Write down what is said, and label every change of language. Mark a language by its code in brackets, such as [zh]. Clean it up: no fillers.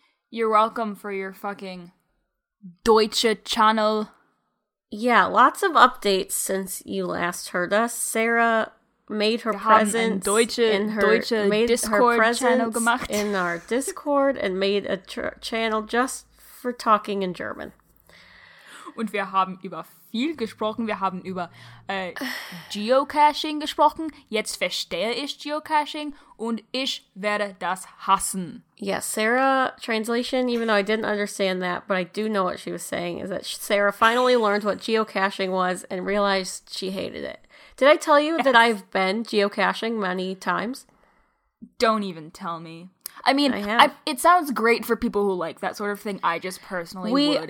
[en] You're welcome for your fucking Deutsche Channel. Yeah, lots of updates since you last heard us. Sarah made her presence in our Discord and made a channel just for talking in German. [de] Und wir haben über viel gesprochen. Wir haben über Geocaching gesprochen. Jetzt verstehe ich Geocaching und ich werde das hassen. [en] Yeah, Sarah, translation, even though I didn't understand that, but I do know what she was saying, is that Sarah finally learned what geocaching was and realized she hated it. Did I tell you that I've been geocaching many times? Don't even tell me. I mean, it sounds great for people who like that sort of thing. I just personally would hate